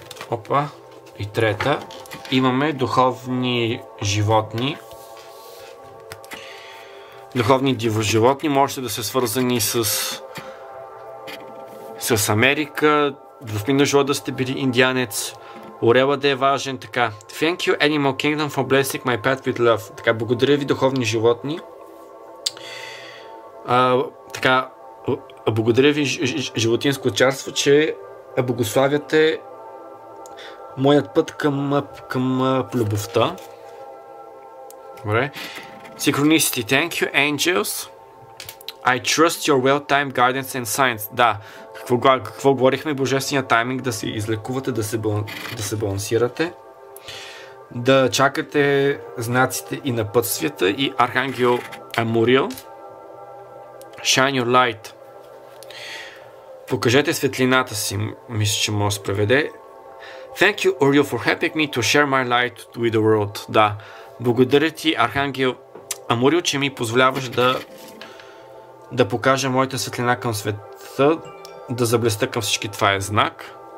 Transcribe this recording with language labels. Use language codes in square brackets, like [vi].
[bg] Опа. И трета. Имаме духовни животни. Духовни дивоживотни, можете да се свързани с Америка, в мина живота да сте били индианец, орела да е важен, така. [en] Thank you, Animal Kingdom, for blessing my path with love. [bg] Така, благодаря ви, духовни животни. Така, благодаря ви, животинско царство, че благославяте моят път към любовта. Добре. [en] Synchronicity, thank you, angels. I trust your well-timed guidance and signs. [bg] Да, какво говорихме, божествения тайминг, да се излекувате, да се балансирате, да чакате знаците и напътствията, и архангел Амуриел. [en] Shine your light. [bg] Покажете светлината си, мисля, че може да се преведе. [en] Thank you, Uriel, for helping me to share my light with the world. [bg] Да, благодаря ти, архангел Амуриел, че ми позволяваш да покажа моята светлина към света, да заблеста към всички. Това е знак.